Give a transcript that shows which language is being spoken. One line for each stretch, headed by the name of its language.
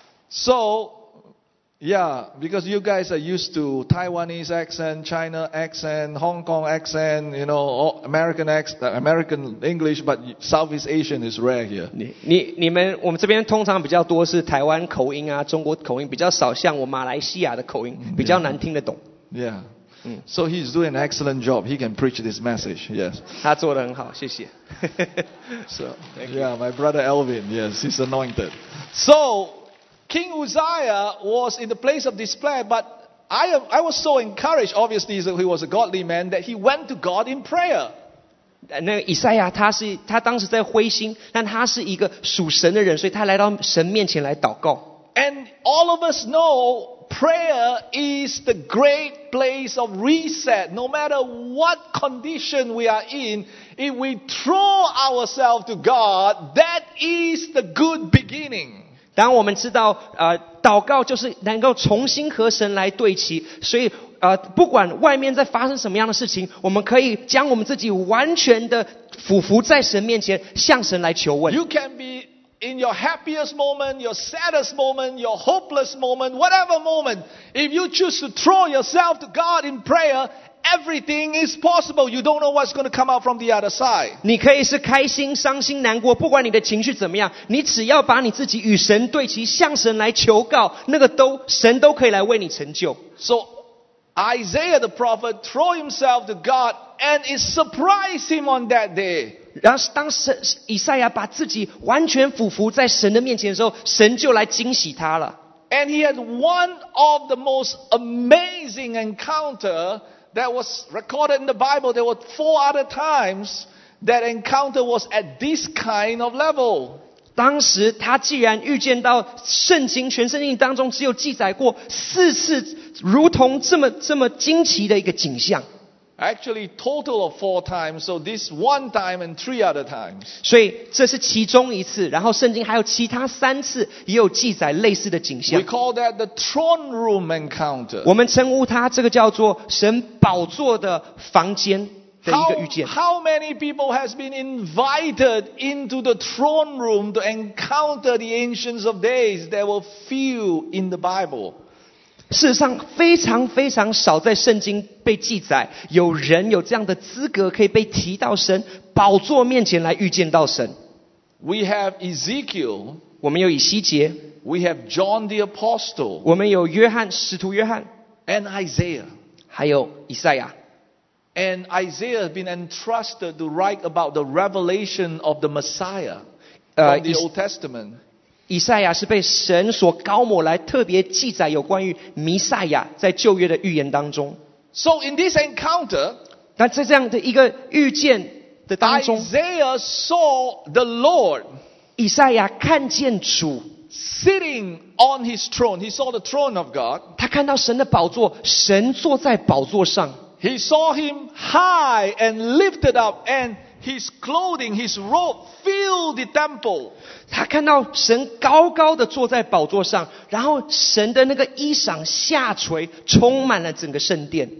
English: So, yeah, because you guys are used to Taiwanese accent, China accent, Hong Kong accent, you know, American accent, American English, but Southeast Asian is rare here.
Chinese: 你们我们这边通常比较多是台湾口音啊，中国口音比较少，像我马来西亚的口音比较难听得懂。
English: Yeah. So he's doing an excellent job. He can preach this message. Yes.
Chinese: 他做得很好，谢谢。
English: So, yeah, my brother Elvin. Yes, he's anointed. So, King Uzziah was in the place of despair, but I was so encouraged. Obviously, he was a godly man that he went to God in prayer.
Chinese: 那个以赛亚他当时在灰心，但他是一个属神的人，所以他来到神面前来祷告。
English: And all of us know. Prayer is the great place of reset. No matter what condition we are in, if we throw ourselves to God, that is the good beginning.
Chinese: 当我们知道，祷告就是能够重新和神来对齐，所以，不管外面在发生什么样的事情，我们可以将我们自己完全的俯伏在神面前，向神来求问。
English: You can be in your happiest moment, your saddest moment, your hopeless moment, whatever moment, if you choose to throw yourself to God in prayer, everything is possible. You don't know what's going to come out from the other side.
Chinese: 你可以是开心、伤心、难过，不管你的情绪怎么样，你只要把你自己与神对齐，向神来求告，那个都神都可以来为你成就。
English: So Isaiah the prophet threw himself to God, and it surprised him on that day.
Chinese: 然后当以赛亚把自己完全俯伏在神的面前的时候，神就来惊喜他了。
English: And he had one of the most amazing encounter that was recorded in the Bible. There were four other times that encounter was at this kind of level.
Chinese: 当时他既然预见到圣经全圣经当中只有记载过四次如同这么惊奇的一个景象。
English: Actually, total of four times. So this one time and three other times.
Chinese: 所以这是其中一次，然后圣经还有其他三次也有记载类似的景象。
English: We call that the throne room encounter.
Chinese: 我们称呼它这个叫做神宝座的房间的一个预见。
English: How many people has been invited into the throne room to encounter the ancients of days? There were few in the Bible.
Chinese: 事实上非常非常少在圣经被记载有人有这样的资格可以被提到神宝座面前来预见到神。
English: We have Ezekiel,
Chinese: 我们有以西结。
English: We have John the Apostle,
Chinese: 我们有约翰使徒约翰。
English: And Isaiah,
Chinese: 还有以赛亚。
English: And Isaiah has been entrusted to write about the revelation of the Messiah from the Old Testament.
Chinese: 以赛亚是被神所高抹来特别记载有关于弥赛亚在旧约的预言当中。
English: So in this encounter,
Chinese: 那在这样的一个预见的当中，
English: Isaiah saw the Lord,
Chinese: 以赛亚看见主
English: sitting on his throne, he saw the throne of God,
Chinese: 他看到神的宝座，神坐在宝座上。
English: He saw him high and lifted up andHis clothing, his robe filled the temple.
Chinese: 他看到神高高的坐在宝座上，然后神的那个衣裳下垂，充满了整个圣殿。